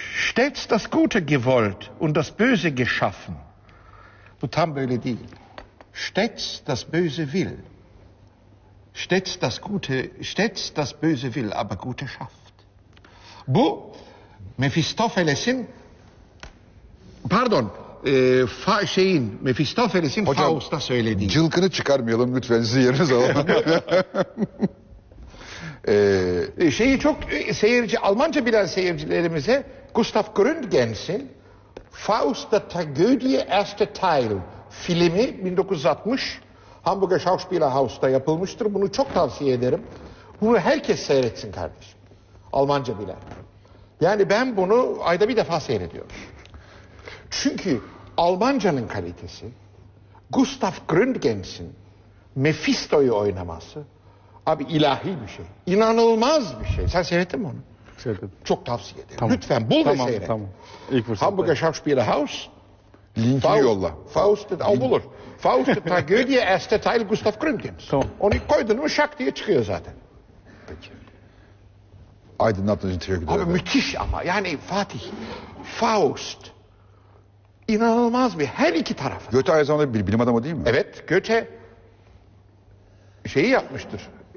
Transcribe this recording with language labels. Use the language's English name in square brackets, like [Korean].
[German] Stets das Gute gewollt und das Böse geschaffen. [Turkish] Bu tam böyle değil. [German] Stets das Böse will. Stets das Gute, stets das Böse will, aber Gute schafft. [Turkish] Bu Mephistopheles'in, pardon, şeyin, Mephistopheles'in Faust'a söylediği. Hocam, cılkını çıkarmayalım lütfen, sizi yeriniz alalım. şeyi çok seyirci, Almanca bilen seyircilerimize Gustav Gründgens'in Faust der Tragödie erste Teil filmi 1960 Hamburger Schauspielhaus'ta yapılmıştır. Bunu çok tavsiye ederim. Bunu herkes seyretsin kardeşim. Almanca bilen. Yani ben bunu ayda bir defa seyrediyorum. Çünkü Almanca'nın kalitesi, Gustav Gründgens'in Mephisto'yu oynaması, abi ilahi bir şey. İnanılmaz bir şey. Sen seyrettin mi onu? Seyredim. Çok tavsiye ederim. Tamam. Lütfen bul tamam, ve seyret. Tamam. İlk fırsatta. Hamburger Schauspielhaus. Linki Faust, yolla. Faust, o bulur. Faust Tragödie erste Teil Gustav Gründgens. Tamam. Onu koydun mu şak diye çıkıyor zaten. Peki. Aydınlattığınız için teşekkür ederim. Abi müthiş ama. Yani Fatih, Faust inanılmaz bir her iki tarafı. Goethe aynı zamanda bir bilim adamı değil mi? Evet. Goethe şeyi yapmıştır.